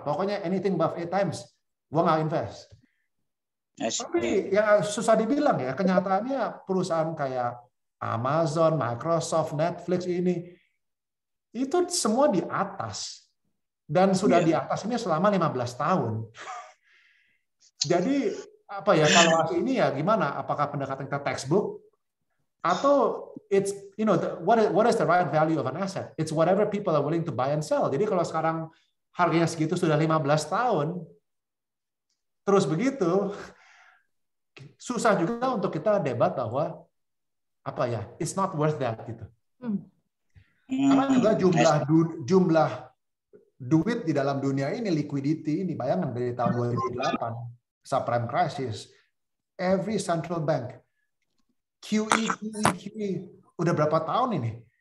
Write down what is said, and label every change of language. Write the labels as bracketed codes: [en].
[id] Pokoknya [en] anything above 8 times, [id] gue nggak invest. Tapi yang susah dibilang ya, kenyataannya perusahaan kayak Amazon, Microsoft, Netflix ini, itu semua di atas. Dan sudah di atas ini selama 15 tahun. Jadi, apa ya, kalau ini ya gimana? Apakah pendekatan kita textbook? [en] Atau, it's you know, what is the right value of an asset? It's whatever people are willing to buy and sell. [id] Jadi kalau sekarang harganya segitu sudah 15 tahun, terus begitu, susah juga untuk kita debat bahwa apa ya, [en] it's not worth that [id] gitu. Karena juga jumlah duit di dalam dunia ini, liquidity ini, bayangan dari tahun 2008 subprime crisis, [en] every central bank QE [id] udah berapa tahun ini.